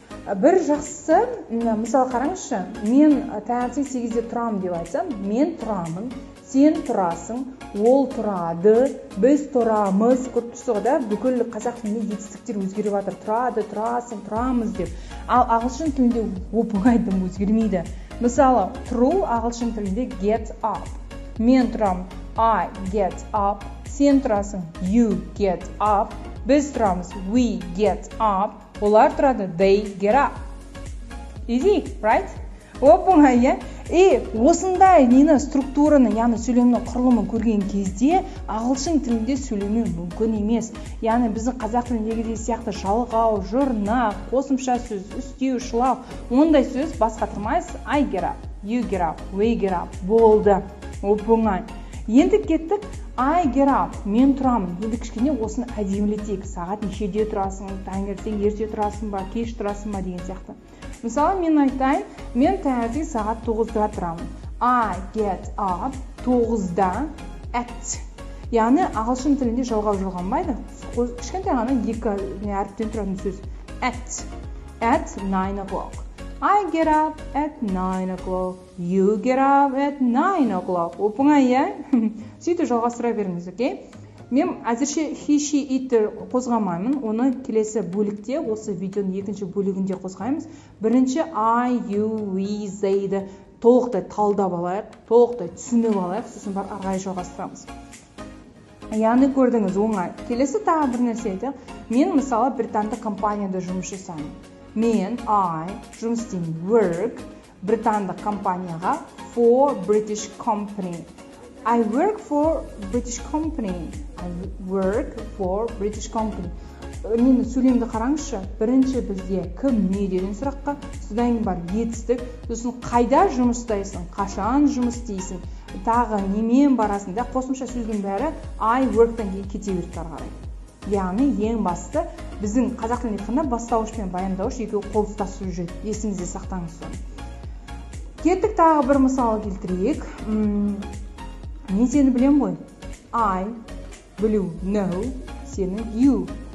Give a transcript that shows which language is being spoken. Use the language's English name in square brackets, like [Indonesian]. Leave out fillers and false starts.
[Kazakh] Бір жақсы, мысалы қараңызшы, мен таңертең 8-де тұрамын деп айтсам, мен тұрамын, сен тұрасың, ол тұрады, біз тұрамыз, көріп тұрсыз ғой, да? Бүкіл қазақ тілінде етістіктер өзгеріп жатыр. Тұрады, тұрасың, тұрамыз деп. Ал ағылшын тілінде оп-оңайдым өзгермейді. Мысалы, тұру ағылшын тілінде get up. Мен тұрамын, [English] I get up. [Kazakh] Сен тұрасың, [English] you get up. [Kazakh] Біз тұрамыз, [English] we get up. [Kazakh] Олар тұрады, [English] they get up. Easy, right? [Kazakh] Оп-оңай, иә? И осындай нені структураны, яғни сөйлемнің құрылымын көрген кезде, ағылшын тілінде сөйлемеу мүмкін емес. Яғни біздің қазақ тіліндегі де сияқты жалғау, жұрнақ, қосымша сөз, үстеу, шылау, ондай сөз бас қатырмайсыз. [English] I get up, you get up, we get up. [Kazakh] Болды. Оп-оңай. Енді кеттік, [English] I get up, [Kazakh] мен тұрамын. Енді кішкене осыны әдемілетейік. Сағат нешеде тұрасың, таңертең ерте тұрасың ба, кеш тұрасың ба деген сияқты. Мысалы, мен айтайын, мен таңертең сағат 9-да тұрамын. [English] I get up 9-да at. [Kazakh] Яғни ағылшын тілінде жалғау жалғанбайды. Кішкентай ғана екі әріптен тұратын сөз. [English] At. At 9 o'clock. I get up at 9 o'clock. You get up at 9 o'clock. [Kazakh] Оп-оңай, иә? Сөйтіп жалғастыра беріңіз, окей? Мен әзірше he, she, it-ті қозғамаймын. Оны келесі бөлікте, осы видеоның екінші бөлігінде қозғаймыз. Бірінші I, you, we, they-ді толықтай талдап алайық, толықтай түсініп алайық, сосын барып ары қарай жалғастырамыз. Яғни көрдіңіз, оңай. Келесі тағы бір нәрсе айтайық. Мен мысалы британдық компанияда жұмыс жасаймын. Мен, I, жұмыс істеймін, work, британдық компанияға, [English] for British company. I work for British company. I work for British company. [Kazakh] Мен сөйлемді қараңызшы, бірінші бізде кім, не деген сұраққа, содан кейін бар етістік, сосын қайда жұмыс істейсің, қашан жұмыс істейсің, тағы немен барасың, да, қосымша сөздің бәрі I work-тан кейін кете береді ары қарай. Яғни ең бастысы біздің қазақ тілінде қана бастауыш пен баяндауыш екеуі қол ұстасып жүреді. Есіңізде сақтаңыз соны. Кеттік тағы бір мысал келтірейік. Мен сені білемін ғой. [English] I білу, know, сені you.